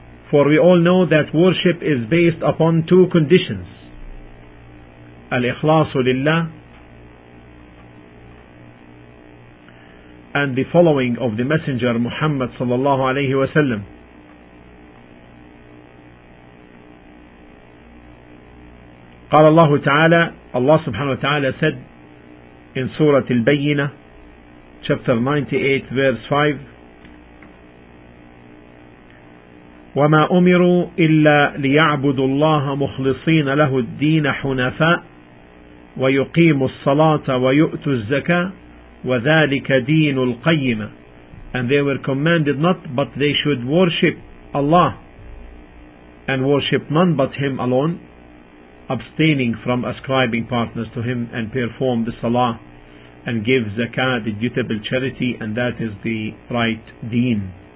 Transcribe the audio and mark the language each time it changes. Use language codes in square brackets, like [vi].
[en] For we all know that worship is based upon two conditions: al-ikhlasu lillah and the following of the Messenger Muhammad sallallahu alayhi wa sallam. [ar] قال الله تعالى الله سبحانه وتعالى [en] said in [ar] سورة البينة [en] chapter 98 verse 5 [ar] وما أمروا إلا ليعبدوا الله مخلصين له الدين حنفاء ويقيموا الصلاة ويؤتوا الزكاة وذلك دين القيمة. [en] And they were commanded not but they should worship Allah and worship none but Him alone, abstaining from ascribing partners to him, and perform the salah and give zakah, the dutiable charity, and that is the right deen.